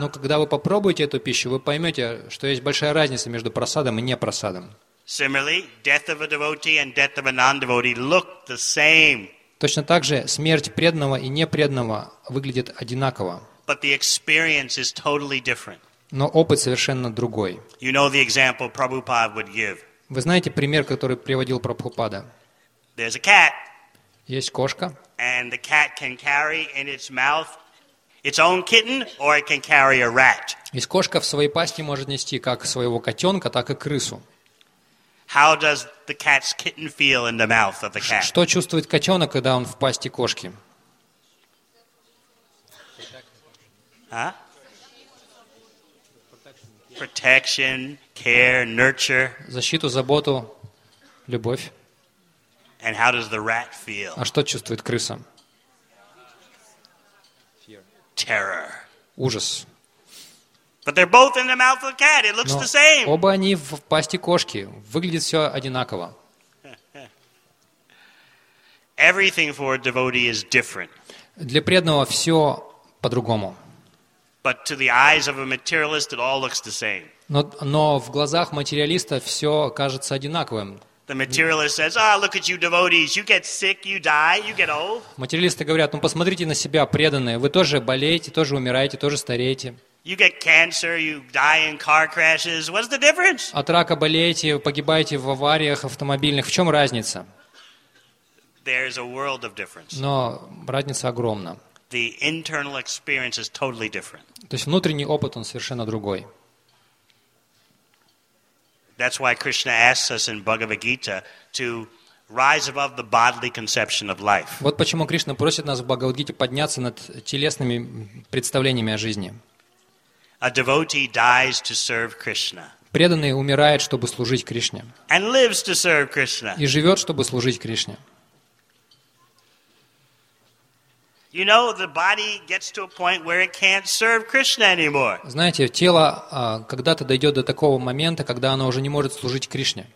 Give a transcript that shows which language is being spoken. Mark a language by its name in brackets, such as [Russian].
[Russian] Но когда вы попробуете эту пищу, вы поймете, что есть большая разница между прасадом и не прасадом. [English] Similarly, death of a devotee and death of a non-devotee look the same. [Russian] Точно так же смерть преданного и непреданного выглядит одинаково. [English] But the experience is totally different. [Russian] Но опыт совершенно другой. [English] You know the example Prabhupada would give. [Russian] Вы знаете пример, который приводил Прабхупада? [English] There's a cat. [Russian] Есть кошка. [English] And the cat can carry in its mouth its own kitten, or it can carry a rat. [Russian] И кошка в своей пасти может нести как своего котенка, так и крысу. [English] How does the cat's kitten feel in the mouth of the cat? [Russian] Что чувствует котенок, когда он в пасти кошки? [English] Protection, care, nurture. [Russian] Защиту, заботу, любовь. [English] And how does the rat feel? [Russian] А что чувствует крыса? [English] Terror. [Russian] Ужас. [English] But they're both in the mouth of the cat. It looks the same. [Russian] Оба они в пасти кошки. Выглядит все одинаково. [English] Everything for a devotee is different. [Russian] Для преданного все по-другому. [English] But to the eyes of a materialist, it all looks the same. [Russian] Но в глазах материалиста все кажется одинаковым. [English] The materialist says, "Ah, look at you, devotees. You get sick, you die, you get old." [Russian] Материалисты говорят: "Ну посмотрите на себя, преданные. Вы тоже болеете, тоже умираете, тоже стареете." [English] You get cancer, you die in car crashes. What's the difference? [Russian] От рака болеете, погибаете в авариях автомобильных. В чем разница? [English] There's a world of difference. [Russian] Но разница огромна. [English] The internal experience is totally different. [Russian] То есть внутренний опыт он совершенно другой. [English] That's why Krishna asks us in Bhagavad Gita to rise above the bodily conception of life. [Russian] Вот почему Кришна просит нас в Бхагавад Гите подняться над телесными представлениями о жизни. [English] A devotee dies to serve Krishna. [Russian] Преданный умирает, чтобы служить Кришне. [English] And lives to serve Krishna. [Russian] И живет, чтобы служить Кришне. [English] You know, the body gets to a point where it can't serve Krishna anymore. [Russian] Знаете, тело когда-то дойдет до такого момента, когда оно уже не может служить Кришне.